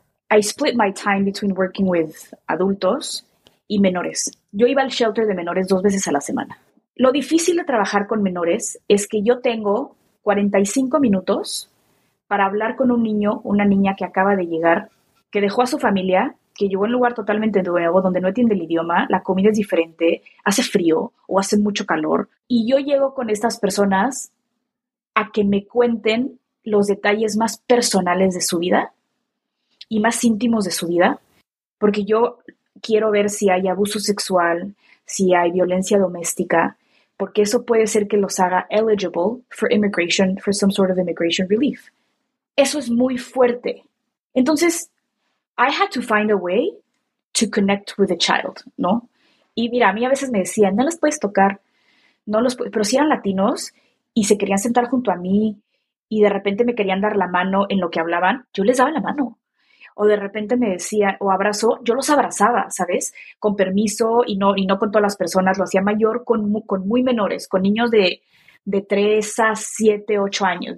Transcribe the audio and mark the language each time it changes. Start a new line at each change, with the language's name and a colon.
English: I split my time between working with
Spanish: adultos y menores. Yo iba al shelter de menores 2 veces a la semana. Lo difícil de trabajar con menores es que yo tengo 45 minutos para hablar con un niño, una niña que acaba de llegar, que dejó a su familia, que llegó a un lugar totalmente nuevo, donde no entiende el idioma, la comida es diferente, hace frío o hace mucho calor. Y yo llego con estas personas a que me cuenten los detalles más personales de su vida y más íntimos de su vida, porque yo quiero ver si hay abuso sexual, si hay violencia doméstica, porque eso puede ser que los haga
English: eligible for immigration, for some sort of immigration relief.
Spanish: Eso es muy fuerte.
English: Entonces, I had to find a way to connect with the child, ¿no?
Spanish: Y mira, a mí a veces me decían, no los puedes tocar, no los puedes, pero si eran latinos y se querían sentar junto a mí y de repente me querían dar la mano en lo que hablaban, yo les daba la mano. O de repente me decía, o abrazo, yo los abrazaba, ¿sabes? Con permiso y no con todas las personas, lo hacía mayor, con muy menores, con niños de 3 a 7, 8 años.